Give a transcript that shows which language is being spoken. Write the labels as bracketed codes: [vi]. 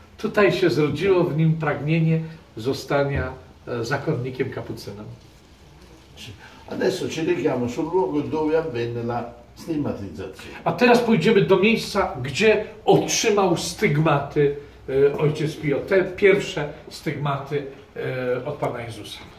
[pl] Tutaj się zrodziło w nim pragnienie zostania zakonnikiem kapucynem. [it] Adesso ci richiamo sul luogo dove avvenne la stigmatizzazione. [pl] A teraz pójdziemy do miejsca, gdzie otrzymał stygmaty ojciec Pio. Te pierwsze stygmaty od Pana Jezusa.